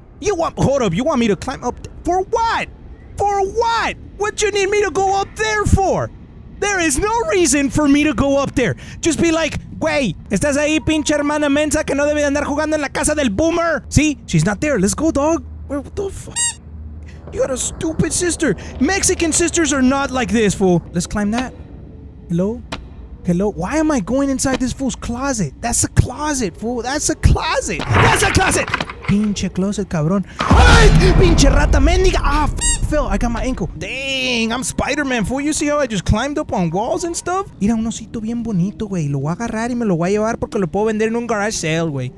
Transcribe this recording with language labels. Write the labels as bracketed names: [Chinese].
[English] You want me to climb up for what? For what? What you need me to go up there for? There is no reason for me to go up there. Just be like, [Spanish] güey, estás ahí, pinche hermana mensa que no debe andar jugando en la casa del boomer. [English] See, she's not there. Let's go, dog. Wait, what the fuck? You got a stupid sister. Mexican sisters are not like this, fool. Let's climb that. Hello? Hello? Why am I going inside this fool's closet? That's a closet, fool. That's a closet! [Spanish] Pinche closet, cabrón. Ay, pinche rata mendiga. [English] Ah, fell. I got my ankle. Dang, I'm Spider-Man, fool. You see how I just climbed up on walls and stuff? [Spanish] Mira, un osito bien bonito, güey. Lo voy a agarrar y me lo voy a llevar porque lo puedo vender en un garage sale, güey.